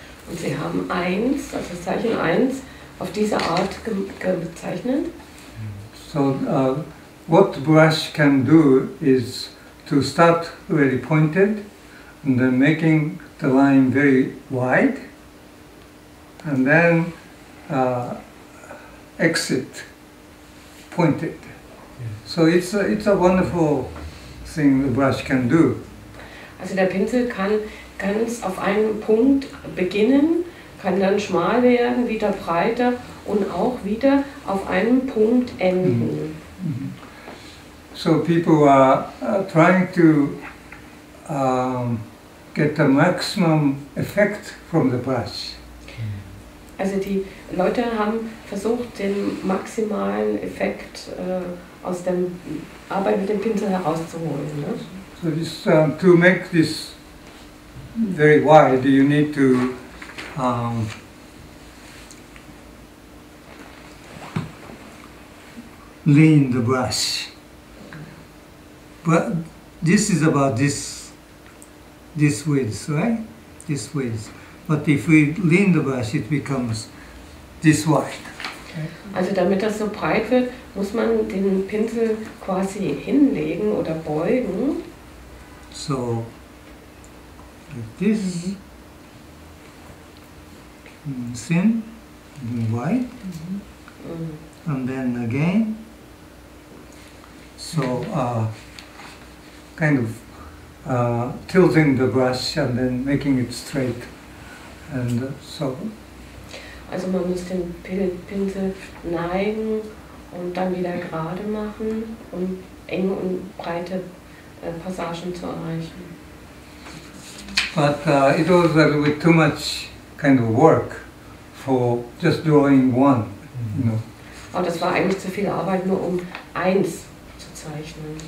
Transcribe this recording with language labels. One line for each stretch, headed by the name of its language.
German: Und sie haben eins, also das Zeichen eins, auf diese Art gezeichnet.
English: So, what the brush can do is to start really pointed and then making the line very wide and then exit pointed. So it's a wonderful thing the brush can do.
German: Also der Pinsel kann ganz auf einen Punkt beginnen, kann dann schmal werden, wieder breiter und auch wieder auf einen Punkt enden. Mm-hmm.
English: So people are trying to get the maximum effect from the brush.
German: Also die Leute haben versucht, den maximalen Effekt aus dem Arbeit mit dem Pinsel herauszuholen. Ne?
English: So this, to make this very wide, you need to lean the brush. But this is about this width, right? This width. But if we lean the brush, it becomes this wide.
German: Also damit das so breit wird, muss man den Pinsel quasi hinlegen oder beugen.
English: So, like this, thin, then wide, and then again. So, kind of tilting the brush and then making it straight. And so.
German: Also man muss den Pinsel neigen und dann wieder gerade machen, um enge und breite Passagen zu erreichen.
English: But it was a little bit too much kind of work for just drawing one, you know.
German: Aber das war eigentlich zu viel Arbeit, nur um eins zu zeichnen.